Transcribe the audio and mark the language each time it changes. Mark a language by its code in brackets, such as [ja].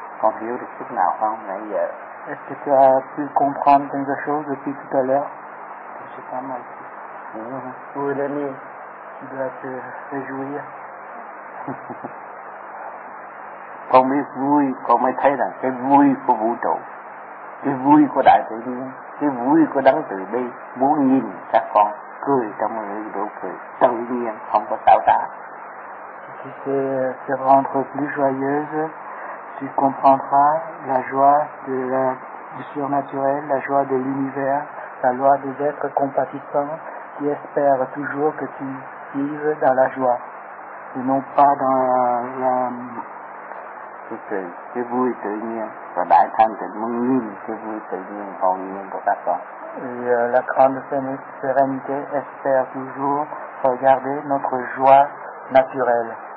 [vi] Con hiểu được chút nào không nãy giờ? [fr] Est-ce que tu as pu comprendre quelque chose depuis tout à l'heure? Je sais pas mal. Où est l'ami? Tu dois te réjouir. [vi] Con biết vui, con mới thấy rằng cái vui của vũ trụ, cái vui của đại tự nhiên, cái vui của đấng từ bi muốn nhìn các con cười trong những nụ cười tự nhiên, không có tạo tác. [fr] Tu sais te rendre plus joyeuse. Tu comprendras la joie de du surnaturel, la joie de l'univers, la loi des êtres compatissants qui espèrent toujours que tu vives dans la joie et non pas dans la la grande sérénité espère toujours regarder notre joie naturelle.